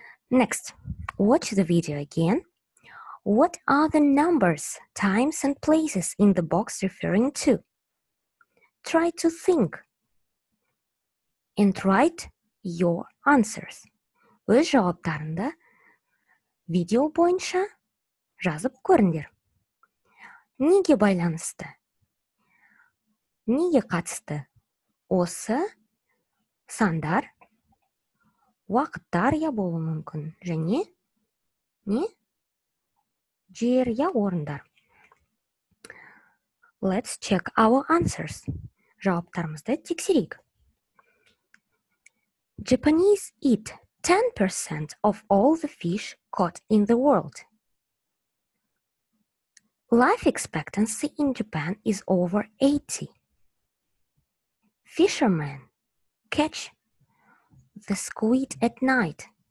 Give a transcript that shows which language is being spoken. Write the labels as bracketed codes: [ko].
[en] Next, watch the video again. What are the numbers, times, and places in the box referring to? Try to think and write your answers. [kk] Өз жауаптарында видео бойынша жазып көріндер. Неге байланысты? Неге қатысты? Осы сандар уақыттар я болу мүмкін. Және не? Жер я орындар. [en] Let's check our answers. [kk] Жауаптарымызды тексерейік. [en] Japanese eat 10% of all the fish caught in the world. Life expectancy in Japan is over 80. Fishermen catch the squid at night.